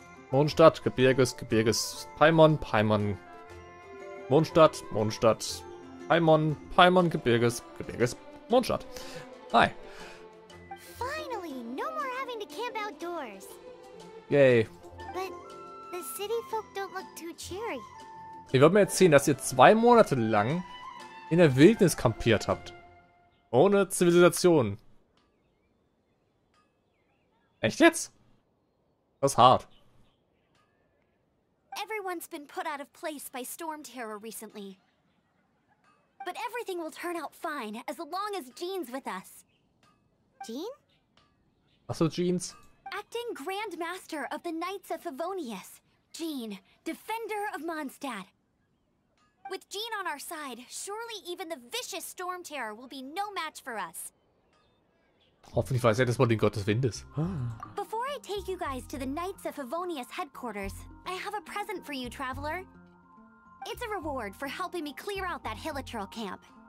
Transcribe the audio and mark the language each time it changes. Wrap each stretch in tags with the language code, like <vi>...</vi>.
<en>Mondstadt, Gebirges, Gebirges, Paimon, Paimon. Mondstadt, Mondstadt, Paimon, Paimon, Gebirges, Gebirges, Mondstadt. Hi. Finally, no more having to camp outdoors. Yay. But the city folk don't look too cheery.</en> <de>Ihr würdet mir erzählen, dass ihr 2 Monate lang in der Wildnis kampiert habt. Ohne Zivilisation. Echt jetzt? Das ist hart.</de> <en>Everyone's been put out of place by storm terror recently. But everything will turn out fine, as long as Jean's with us. Jean?</en> <de>Achso, Jean's.</de> <en>Acting Grand Master of the Knights of Favonius. Jean, Defender of Mondstadt. With Jean on our side, surely even the vicious storm terror will be no match for us.</en> <de>Hoffentlich weiß er das Wort den Gott des Windes.</de> <en>Before I take you guys to the Knights of Favonius headquarters, I have a present for you, traveler. It's a reward for helping me clear out that Hilichurl camp.</en>